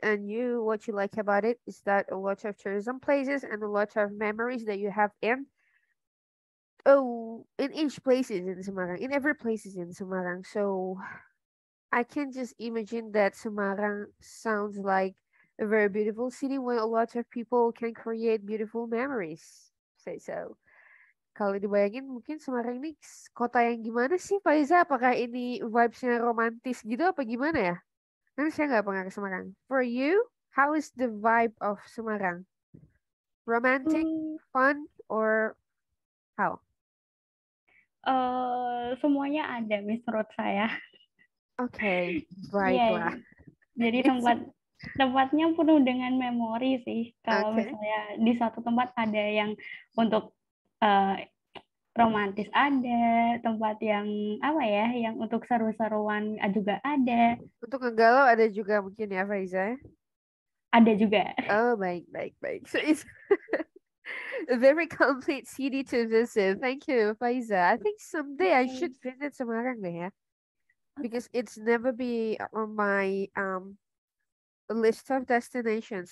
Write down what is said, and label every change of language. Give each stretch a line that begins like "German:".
English: And you, what you like about it is that a lot of tourism places and a lot of memories that you have in each place in Semarang, in every place in Semarang. So I can just imagine that Semarang sounds like a very beautiful city where a lot of people can create beautiful memories. Say so.
Indonesian: Kalau dibayangin mungkin Semarang ini kota yang gimana sih, Faiza? Apakah ini vibes-nya romantis gitu apa gimana ya? Kan saya nggak pernah ke Semarang.
English: For you, how is the vibe of Semarang? Romantic, fun, or how?
Indonesian: Semuanya ada, menurut saya. Okay, baiklah. Yeah, yeah. Jadi tempatnya penuh dengan memori sih. Kalau okay. Misalnya di satu tempat ada yang untuk romantis ada, tempat yang apa ya, yang untuk seru-seruan juga ada. Untuk ngegalau ada juga mungkin ya, Faiza? Ada juga. Oh, baik, baik, baik.
English: So it's a very complete city to visit. Thank you, Faiza. I think someday I should visit Semarang
Indonesian: deh ya.
English: Because it's never be on my list of destinations.